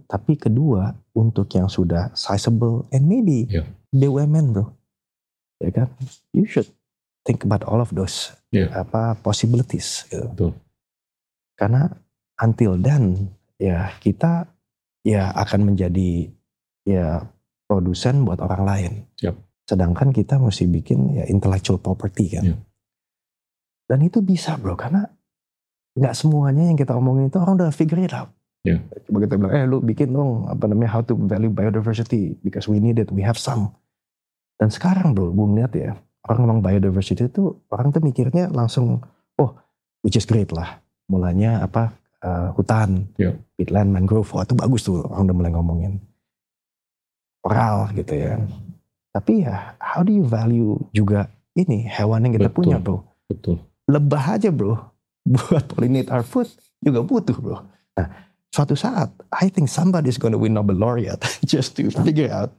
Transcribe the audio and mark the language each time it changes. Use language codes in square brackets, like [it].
[id] Tapi kedua, untuk yang sudah sizable, [en] and maybe [id] BUMN bro. Ya kan? [en] You should think about all of those possibilities. [id] Gitu. Karena [en] until then, [id] ya kita ya akan menjadi ya produsen buat orang lain. Sedangkan kita mesti bikin ya intellectual property kan. Dan itu bisa bro, karena gak semuanya yang kita omongin itu orang udah [en] figure it out. [id] Coba kita bilang, lu bikin dong apa namanya, [en] how to value biodiversity, because we need it, we have some. [id] Dan sekarang bro, gue ngeliat ya, orang ngomong biodiversity itu, orang tuh mikirnya langsung, oh, [en] which is great [id] lah. Mulanya apa, hutan, peatland, mangrove, oh itu bagus tuh orang udah mulai ngomongin. Oral gitu ya. Tapi ya, [en] how do you value [id] juga ini hewan yang kita punya bro? Betul. Lebah aja bro. buat [en] pollinate our food [id] juga butuh, bro. Nah, suatu saat, [en] I think somebody's going to win Nobel laureate just to figure out.